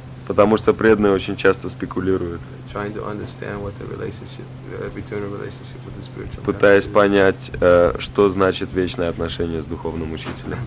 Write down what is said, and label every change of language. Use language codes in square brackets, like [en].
[ru] Потому что преданные очень часто спекулируют. [en] Trying to understand what the relationship, eternal relationship with the spiritual. [ru] Пытаясь понять, что значит вечное отношение с духовным учителем.